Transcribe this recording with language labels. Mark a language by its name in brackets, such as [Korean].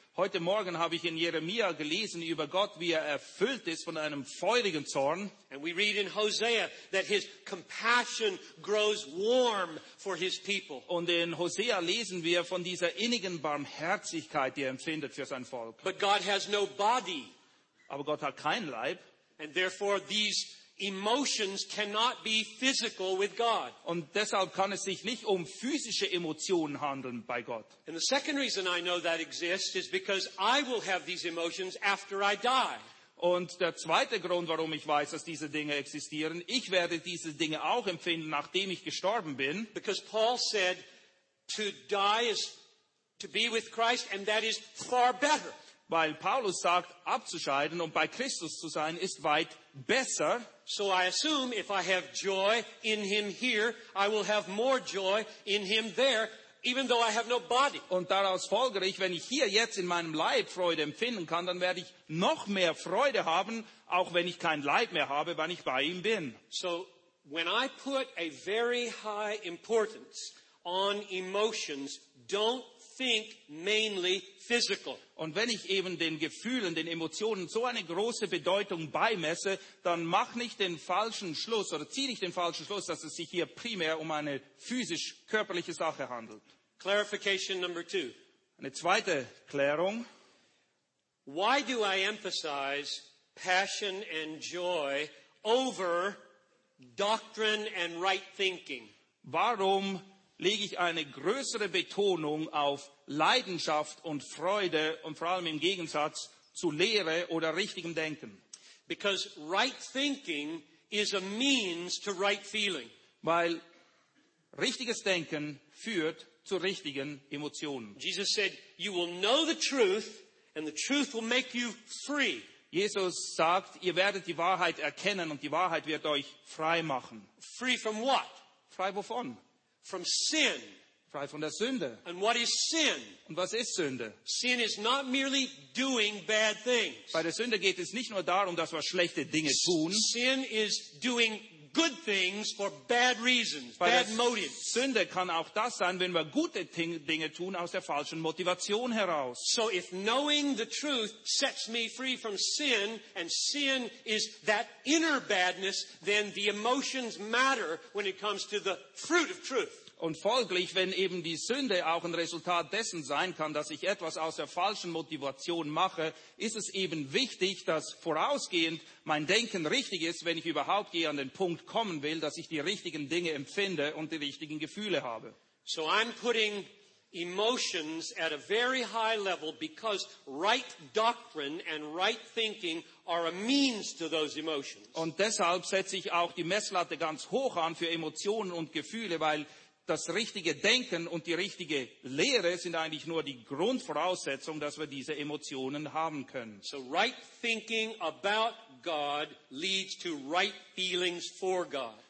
[German] Heute Morgen habe ich in Jeremia gelesen über Gott, wie er erfüllt ist von einem feurigen Zorn. [English] And we read in Hosea that his compassion grows warm for his people. [German] Und in Hosea lesen wir von dieser innigen Barmherzigkeit, die er empfindet für sein Volk. [English] But God has no body. [German] Aber Gott hat keinen Leib. [English] And therefore these emotions cannot be physical with God. [German] Und deshalb kann es sich nicht um physische Emotionen handeln bei Gott. [English] And the second reason I know that exists is because I will have these emotions after I die. [German] Und der zweite Grund, warum ich weiß, dass diese Dinge existieren, ich werde diese Dinge auch empfinden, nachdem ich gestorben bin. [English] Because Paul said, to die is to be with Christ, and that is far better. [German] Weil Paulus sagt, abzuscheiden und bei Christus zu sein, ist weit besser. [English] So I assume if I have joy in him here, I will have more joy in him there, even though I have no body. [German] Und daraus folgere ich, wenn ich hier jetzt in meinem Leib Freude empfinden kann, dann werde ich noch mehr Freude haben, auch wenn ich kein Leib mehr habe, wenn ich bei ihm bin. [English] So when I put a very high importance on emotions, don't think mainly physical. [German] Und wenn ich eben den Gefühlen, den Emotionen so eine große Bedeutung beimesse, dann mach nicht den falschen Schluss oder zieh nicht den falschen Schluss, dass es sich hier primär um eine physisch-körperliche Sache handelt. [English] Clarification number two. [German] Eine zweite Klärung. [English] Why do I emphasize passion and joy over doctrine and right thinking? [German] Warum lege ich eine größere Betonung auf Leidenschaft und Freude und vor allem im Gegensatz zu Lehre oder richtigem Denken? [English] Because right thinking is a means to right feeling. [German] Weil richtiges Denken führt zu richtigen Emotionen. [English] Jesus said, you will know the truth and the truth will make you free. [German] Jesus sagt, ihr werdet die Wahrheit erkennen und die Wahrheit wird euch frei machen. [English] Free from what? [German] Frei wovon? [English] From sin. [German] Frei von der Sünde. [English] And what is sin? [German] Und was ist Sünde? [English] Sin is not merely doing bad things. [German] Bei der Sünde geht es nicht nur darum, dass wir schlechte Dinge tun. [English] Sin is doing good things for bad reasons, [German] bei [English] bad motives. [German] Sünde kann auch das sein, wenn wir gute Dinge tun aus der falschen Motivation heraus. [English] So if knowing the truth sets me free from sin, and sin is that inner badness, then the emotions matter when it comes to the fruit of truth. [German] Und folglich, wenn eben die Sünde auch ein Resultat dessen sein kann, dass ich etwas aus der falschen Motivation mache, ist es eben wichtig, dass vorausgehend mein Denken richtig ist, wenn ich überhaupt je an den Punkt kommen will, dass ich die richtigen Dinge empfinde und die richtigen Gefühle habe. [English] So I'm putting emotions at a very high level because right doctrine and right thinking are a means to those emotions. [German] Und deshalb setze ich auch die Messlatte ganz hoch an für Emotionen und Gefühle, weil das richtige Denken und die richtige Lehre sind eigentlich nur die Grundvoraussetzung, dass wir diese Emotionen haben können. [English] So right thinking about God leads to right feelings for God.